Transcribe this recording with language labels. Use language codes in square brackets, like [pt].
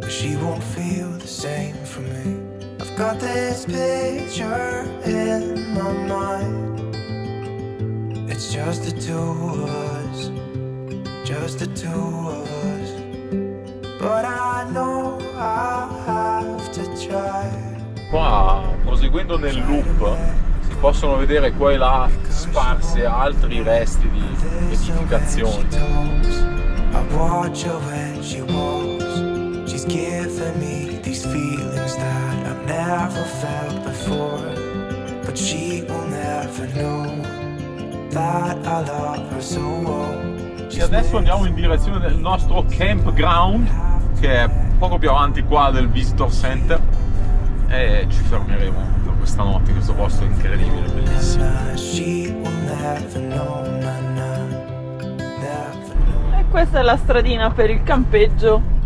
[en] But she won't feel the same for me. I've got this picture in my mind. It's just the two of us, just the two of us. But I know I have to try. [it] Qua, proseguendo nel loop, si possono vedere qua e là sparse altri resti di edificazioni. [en] I watch her when she walks. She's giving me these feelings that I've never felt before. But she will never know that I love her so well. [it] E adesso andiamo in direzione del nostro campground, che è poco più avanti qua del visitor center, e ci fermeremo per questa notte. Questo posto è incredibile, bellissimo. E questa è la stradina per il campeggio.